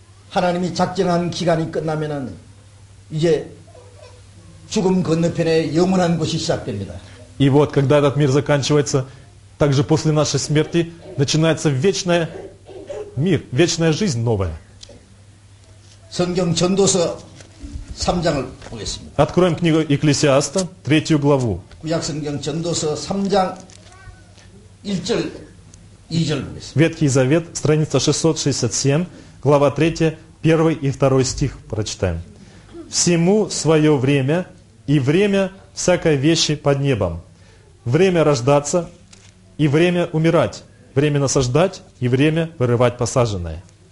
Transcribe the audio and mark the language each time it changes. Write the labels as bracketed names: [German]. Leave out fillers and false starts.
[Russian] И вот, когда этот мир заканчивается, также после нашей смерти начинается вечное мир, вечная жизнь новая. [Korean] 성경 전도서 3장을 보겠습니다. [Russian] Откроем книгу Екклесиаста, 3 главу. [Korean] 구약 성경 전도서 3장 1절 2절 보겠습니다. [Russian] Ветхий Завет, страница 667, глава 3, 1 и 2 стих прочитаем. Всему свое время и время всякой вещи под небом. Время рождаться и время умирать. Время насаждать и время вырывать посаженное.